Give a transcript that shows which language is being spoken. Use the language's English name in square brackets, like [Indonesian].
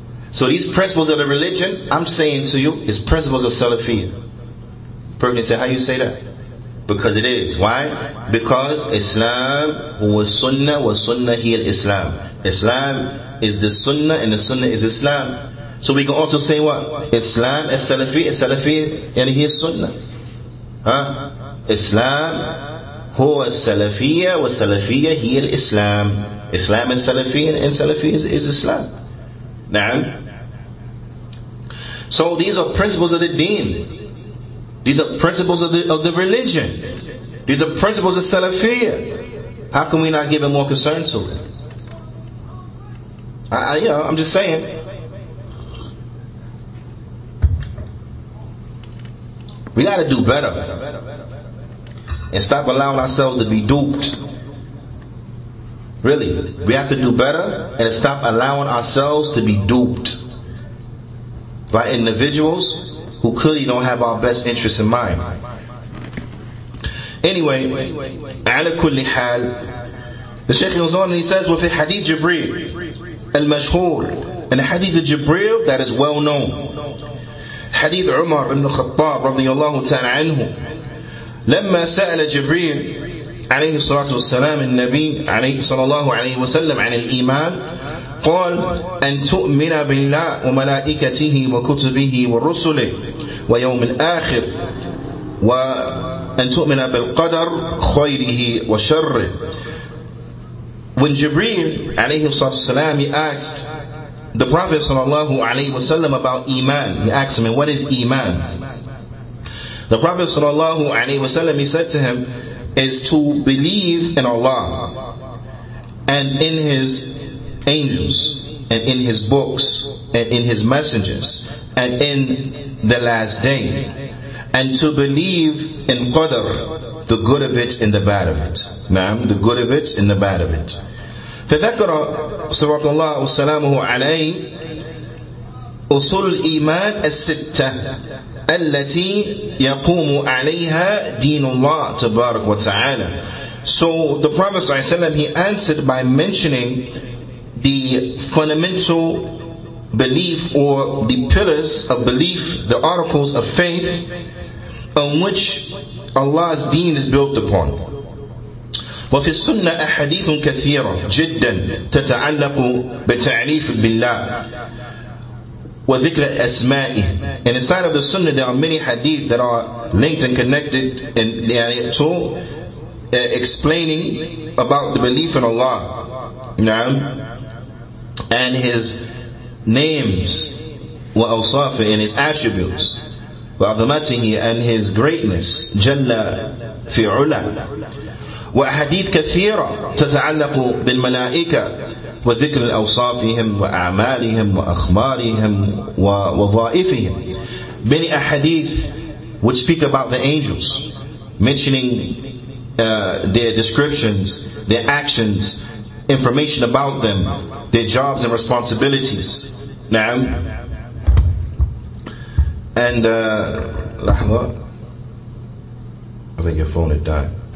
[English] So these principles of the religion, I'm saying to you, is principles of Salafiyya. person say, how you say that? Because it is. Why? Because Islam was sunnah, was sunnah here Islam. Islam is the sunnah and the sunnah is Islam. So we can also say what? Islam is salafi, is salafi, and he is sunnah. Huh? [Arabic] Islam هو السلفية والسلفية هي الإسلام. [English] Islam is salafi and salafi is Islam. نعم. So these are principles of the deen. These are principles of the religion. These are principles of salafiyya. How can we not give it more concern to it? I'm just saying. We got to do better. And stop allowing ourselves to be duped. Really. We have to do better and stop allowing ourselves to be duped by individuals who clearly don't have our best interests in mind. Anyway, [Arabic] على كل حال, [English] the Shaykh goes on and he says, with a hadith Jibreel, al-mashhur, and a hadith of Jibreel that is well known. [Arabic] Hadith Umar ibn Khattab, radiyallahu ta'ala anhu, لما سأل جبريل عليه الصلاة والسلام النبي عليه صلى الله عليه وسلم عن الإيمان قال أن تؤمن بالله وملائكته وكتبه ورسله ويوم الآخر وأن تؤمن بالقدر خيره وشره. [English] When Jibreel عليه الصلاة والسلام, he asked the Prophet صلى الله عليه وسلم about إيمان, he asked him, what is إيمان? The Prophet sallallahu alaihi wasallam, he said to him, is to believe in Allah and in his angels and in his books and in his messengers and in the last day, and to believe in qadr, the good of it and the bad of it. Ma'am, the good of it and the bad of it. [Arabic] فَذَكَرَ صَلَّى اللَّهُ وَسَلَّمُهُ عَلَيْهِ أُصُولُ الْإِيمَانِ السِّتَّةِ التي يقوم عليها دين الله تبارك وتعالى. [English] So the Prophet ﷺ, he answered by mentioning the fundamental belief or the pillars of belief, the articles of faith on which Allah's deen is built upon. [Arabic] وفي السنة أحاديث كثيرة جدا تتعلق بتعريف بالله وَذِكْرَ أَسْمَائِهِ. [English] And inside of the sunnah, there are many hadith that are linked and connected in the ayat to explaining about the belief in Allah. نعم. And his names [Arabic] وأوصافه, [English] and his attributes [Arabic] وعظمته, [English] and his greatness [Arabic] جَلَّ فِي عُلَى. وَأَحَدِيثَ كَثِيرَ تَتَعَلَّقُ بِالْمَلَائِكَةِ وذكر أوصافهم وأعمالهم وأخبارهم ووظائفهم. [English] Many ahadith which speak about the angels, mentioning their descriptions, their actions, information about them, their jobs and responsibilities. [Arabic] نعم. [English] And [Arabic] لحظة, [English] I think your phone had died.